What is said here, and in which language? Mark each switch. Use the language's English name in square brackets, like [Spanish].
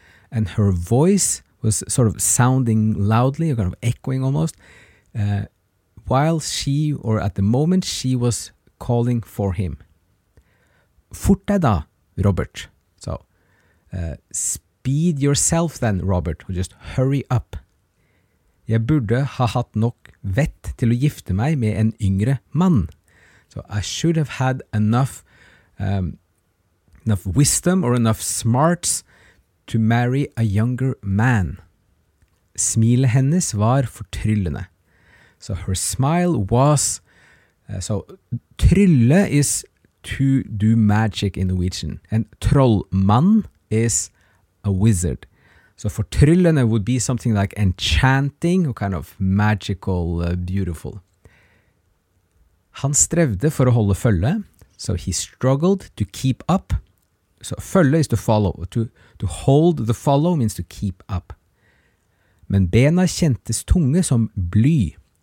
[English] And her voice was sort of sounding loudly, kind of echoing almost, while she, or at the moment, she was calling for him. [Norwegian] Fort deg da, Robert. [English] So, speed yourself then, Robert, or just hurry up. [Norwegian] Jeg burde ha hatt nok vett til å gifte meg med en yngre mann. [English] So I should have had enough wisdom or enough smarts to marry a younger man. [Norwegian] Smilet hennes var fortryllende. [English] So her smile was... So trylle is to do magic in Norwegian. And trollmann is a wizard. So for tryllene would be something like enchanting or kind of magical, beautiful. [Norwegian] Han strevde for å holde følge. [English] So he struggled to keep up. So følge is to follow. To hold the follow means to keep up. [Norwegian] Men bena kjentes tunge som bly.